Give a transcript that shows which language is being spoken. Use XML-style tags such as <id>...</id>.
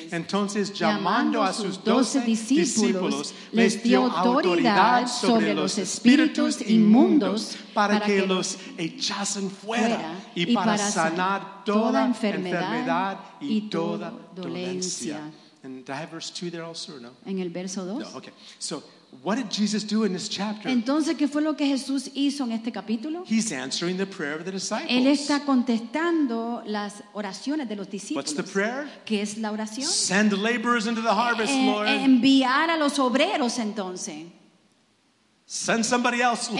<es>Entonces, llamando a sus 12 discípulos, les dio autoridad sobre los espíritus inmundos para que los echasen fuera y para sanar toda enfermedad y toda dolencia.</es> <en>And do I have verse 2 there also or no?</en> <es>En el verso 2.</es> <en>No, okay. So, what did Jesus do in this chapter?</en> <es>Entonces, ¿qué fue lo que Jesús hizo en este capítulo?</es> <en>He's answering the prayer of the disciples.</en> <es>Él está contestando las oraciones de los discípulos.</es> <en>What's the prayer?</en> <es>¿Qué es la oración?</es> <en>Send laborers into the harvest, Lord.</en> <es>Enviar a los obreros, entonces.</es> <en>Send somebody else, Lord.</en>